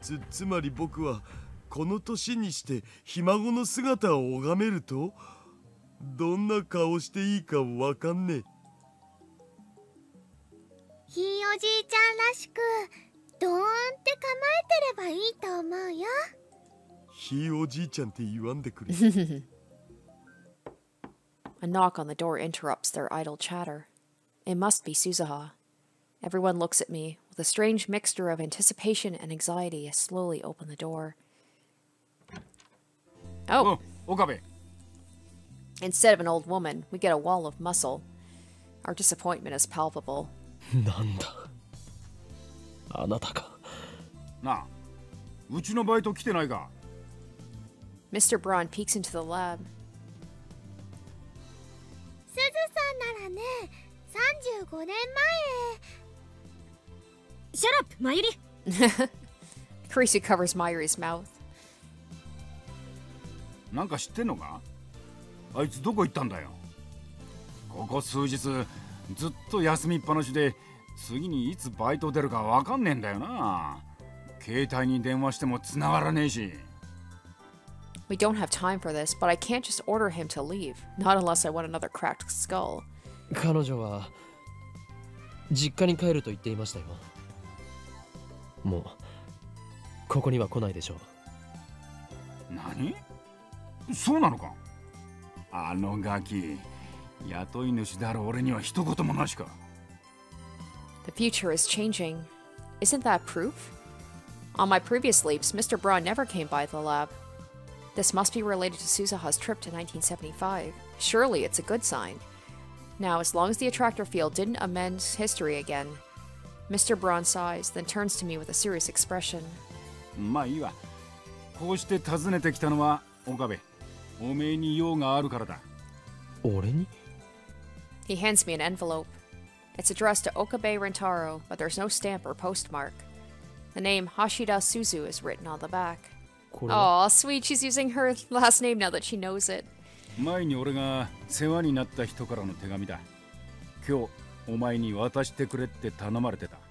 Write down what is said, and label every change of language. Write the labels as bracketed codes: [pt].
[ja] つまり僕は、この年にしてひ孫の姿を拝めるとどんな顔していいかわかんねえ。ひいおじいちゃんらしくドーンって構えてればいいと思うよ。ひいおじいちゃんって言わんでくれ。 [en] A knock on the door interrupts their idle chatter. It must be Suzuha. Everyone looks at me with a strange mixture of anticipation and anxiety. I slowly open the door. Oh, Okabe. Instead of an old woman, we get a wall of muscle. Our disappointment is palpable. [ja] Nanda. Anata ka. Na. Uchi no baito kite nai ga. [en] Mr. Braun peeks into the lab. [ja] Suzu-san nara ne, 35 nen mae. [en] Shut up, Mayuri. Kurisu covers Mayuri's mouth. [ja] なんか知ってんのか？あいつどこ行ったんだよ。ここ数日ずっと休みっぱなしで、次にいつバイト出るかわかんねえんだよな。携帯に電話しても繋がらねえし。 [en] We don't have time for this, but I can't just order him to leave. Not unless I want another cracked skull. [ja] 彼女は実家に帰ると言っていましたよ。もうここには来ないでしょう。何？そうなのか。あのガキ、雇い主である俺には一言もなしか。 [en] The future is changing. Isn't that proof? On my previous leaps, Mr. Braun never came by the lab. This must be related to Suzuha's trip to 1975. Surely it's a good sign. Now, as long as the attractor field didn't amend history again, Mr. Braun sighs, then turns to me with a serious expression. [ja] まあいいわ。こうして訪ねてきたのは岡部。おめえに用があるからだ。俺に? [en] He hands me an envelope. It's addressed to Okabe Rentaro, but there's no stamp or postmark. The name Hashida Suzu is written on the back. Aw, sweet, she's using her last name now that she knows it. [ja] 前に俺が世話になった人からの手紙だ。今日、お前に渡してくれって頼まれてた。